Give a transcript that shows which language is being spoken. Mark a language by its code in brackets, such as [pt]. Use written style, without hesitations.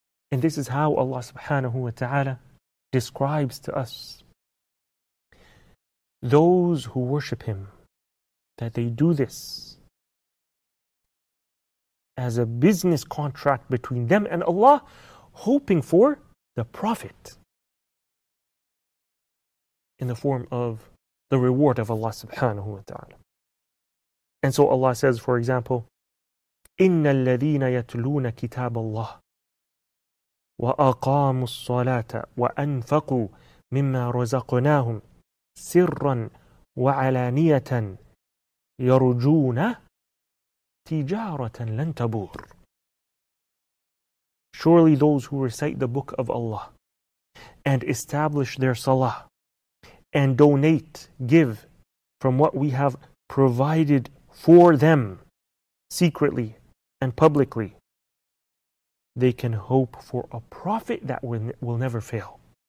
[en] And this is how Allah subhanahu wa ta'ala describes to us those who worship Him, that they do this as a business contract between them and Allah, hoping for the profit in the form of the reward of Allah subhanahu wa ta'ala. And so Allah says, for example, [ar] إِنَّ الَّذِينَ يَتْلُونَ كِتَابَ اللَّهِ وَأَقَامُوا الصَّلَاةَ وَأَنْفَقُوا مِمَّا رَزَقْنَاهُمْ سِرًّا وَعَلَانِيَةً يَرُجُونَ تِجَارَةً لَنْ تَبُورٌ. [en] Surely those who recite the book of Allah and establish their salah and donate, give from what we have provided for them, secretly and publicly, they can hope for a prophet that will never fail.